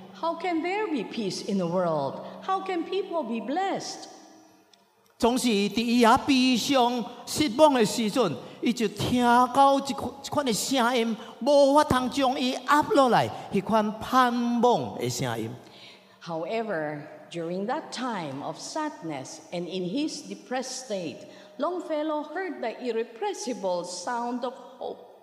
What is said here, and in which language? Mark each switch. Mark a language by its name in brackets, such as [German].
[English] How can there be peace in the world? How can people be blessed? [Min Nan Chinese] 总是在伊遐悲伤失望的时阵，伊就听到一款的声音，无法通将伊压落来，迄款盼望的声音。 [English] However, during that time of sadness and in his depressed state, Longfellow heard the irrepressible sound of hope.